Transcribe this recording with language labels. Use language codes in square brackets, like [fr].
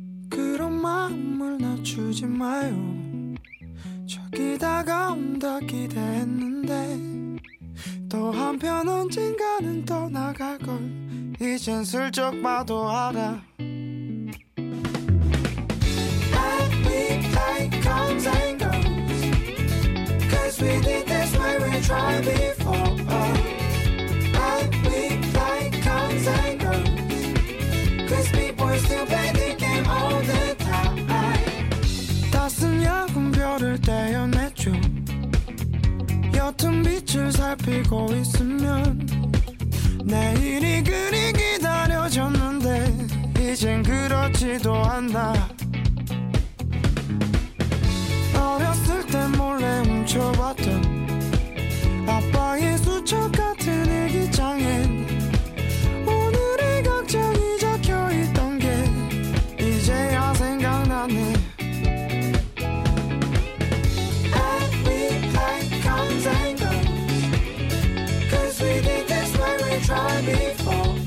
[ko] 그런 마음을 낮추지 마요. 저기 다가온다 기대했는데 또 한편 언젠가는 떠나갈걸 이젠 슬쩍 봐도 알아. [en] Comes and goes, 'cause we did this when we tried before. Life comes and goes, 'cause people still play the game all the time. [ko] 따스한 야금별을 떼어내죠. 옅은 빛을 살피고 있으면 내일이 그리 기다려졌는데 이젠 그렇지도 않나. 어렸을 때 몰래 훔쳐봤던 아빠의 수첩 같은 일기장엔 오늘의 걱정이 적혀있던 게 이제야 생각나네. [en] Every night comes and goes, 'cause we did this when we tried before.